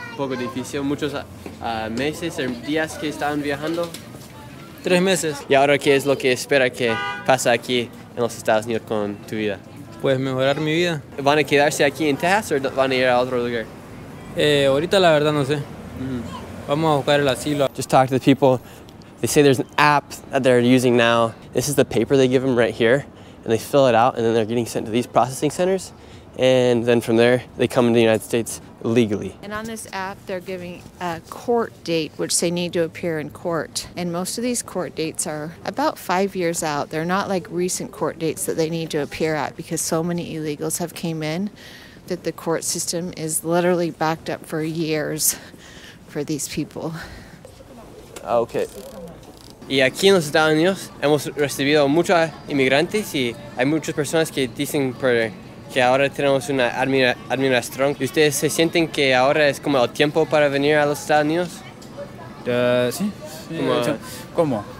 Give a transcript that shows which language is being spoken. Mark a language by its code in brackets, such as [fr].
[es] Un poco difícil. Muchos meses, días que estaban viajando. 3 meses. ¿Y ahora qué es lo que espera que pase aquí en los Estados Unidos con tu vida? Pues mejorar mi vida. ¿Van a quedarse aquí en Texas o van a ir a otro lugar? Ahorita la verdad no sé. Mm-hmm. Vamos a buscar el asilo. [en] Just talk to the people. They say there's an app that they're using now. This is the paper they give them right here. And they fill it out and then they're getting sent to these processing centers. And then from there, they come to the United States legally. And on this app, they're giving a court date, which they need to appear in court. And most of these court dates are about 5 years out. They're not like recent court dates that they need to appear at because so many illegals have came in that the court system is literally backed up for years for these people. Okay. [es] Y aquí en los Estados Unidos hemos recibido muchos inmigrantes y hay muchas personas que dicen que ahora tenemos una administración. ¿Y ustedes se sienten que ahora es como el tiempo para venir a los Estados Unidos? Sí. ¿Cómo? ¿Cómo?